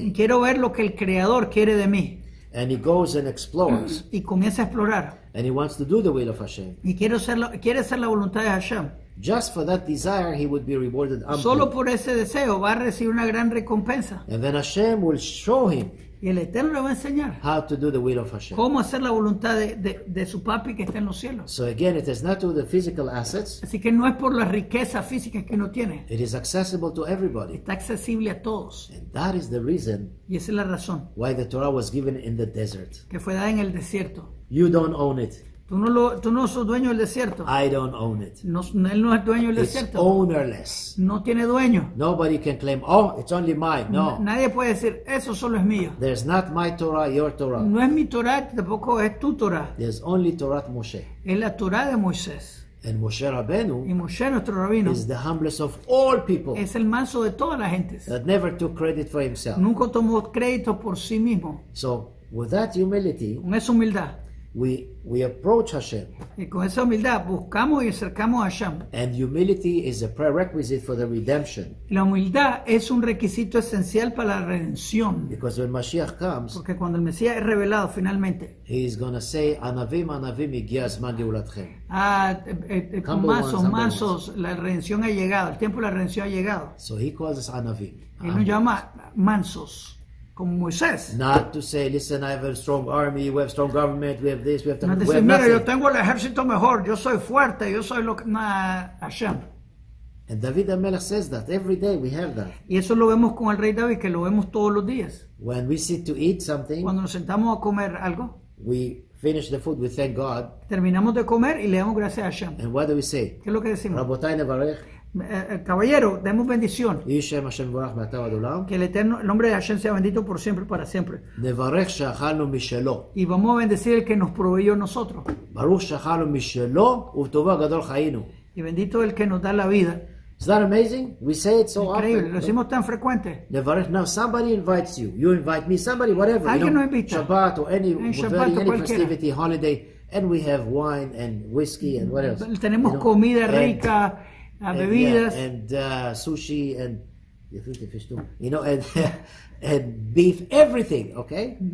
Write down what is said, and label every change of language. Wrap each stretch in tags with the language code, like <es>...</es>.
<es>Y quiero ver lo que el Creador quiere de mí.</es> <en>And he goes and explores.</en> <es>Y comienza a explorar.</es> <en>And he wants to do the will of Hashem.</en> <es>Y quiere hacer la voluntad de Hashem.</es> <en>Just for that desire, he would be rewarded amply.</en> <es>Solo por ese deseo va a recibir una gran recompensa.</es> <en>And then Hashem will show him.</en> <es>Y el Eterno le va a enseñar.</es> <en>How to do the will of Hashem.</en> <es>Cómo hacer la voluntad de su papi que está en los cielos.</es> <en>So again, it is not to the physical assets.</en> <es>Así que no es por las riquezas físicas que uno tiene.</es> <en>It is accessible to everybody.</en> <es>Está accesible a todos.</es> <en>And that is the reason.</en> <es>Y esa es la razón.</es> <en>Why the Torah was given in the desert.</en> <es>Que fue dada en el desierto.</es> <en>You don't own it.</en> <es>Tú no sos dueño del desierto.</es> <en>I don't own it.</en> <es>Él no es dueño del desierto.</es> <en>It's ownerless.</en> <es>No tiene dueño.</es> <en>Nobody can claim, oh, it's only mine. No.</en> <es>Nadie puede decir, eso solo es mío.</es> <en>There's not my Torah, your Torah.</en> <es>No es mi Torah, tampoco es tu Torah.</es> <en>There's only Torah Moshe.</en> <es>Es la Torah de Moisés.</es> <en>And Moshe Rabbeinu,</en> <es>y Moshe, nuestro rabino,</es> <en>is the humblest of all people.</en> <es>Es el manso de todas las gentes.</es> <en>That never took credit for himself.</en> <es>Nunca tomó crédito por sí mismo.</es> <en>So, with that humility,</en> <es>con esa humildad,</es> <en>We approach Hashem.</en> <es>Y con esa humildad buscamos y acercamos a Hashem.</es> <en>And humility is a prerequisite for the redemption.</en> <es>La humildad es un requisito esencial para la redención.</es> <en>Because when Mashiach comes,</en> <es>porque cuando el Mesías es revelado finalmente,</es> <en>he is going to say,</en> <he>"Anavim, anavim, igi azman geulatchem."</he> <es>Mazos, mazos, la redención ha llegado. El tiempo de la redención ha llegado.</es> <en>So he calls us anavim.</en> <es>Él nos llama mansos. Como Moisés.</es> <en>Not to say, listen, I have a strong army, we have strong government, we have this, we have that.</en> <es>No, decir, mira, yo tengo el ejército mejor, yo soy fuerte, yo soy lo que Hashem.</es> <en>And David HaMelech says that every day we have that.</en> <es>Y eso lo vemos con el rey David, que lo vemos todos los días.</es> <en>When we sit to eat something,</en> <es>cuando nos sentamos a comer algo,</es> <en>we finish the food, we thank God.</en> <es>Terminamos de comer y le damos gracias a Hashem.</es> <en>And what do we say?</en> <es>¿Qué es lo que decimos?</es> <he>Rabotai Nevarech.</he> <es>Caballero, demos bendición. Que el Eterno, el nombre de Hashem sea bendito por siempre y para siempre. Y vamos a bendecir el que nos proveyó nosotros. Y bendito el que nos da la vida.</es> <en>Is that amazing? We say it so</en> <es>increíble,</es> <en>often.</en> <es>Lo decimos tan frecuente.</es> <he>Nevarech.</he> <en>Now somebody invites you. You invite me. Somebody, whatever.</en> <es>Alguien</es> <en>you know,</en> <es>nos invita.</es> <en>Shabbat or any,</en> <he>Shabbat</he> <en>very, any festivity, holiday. And we have wine and whiskey and what else?</en> <es>Tenemos comida rica, bebidas.</es> <en>And sushi and fish too. You know, and beef, everything, okay?</en>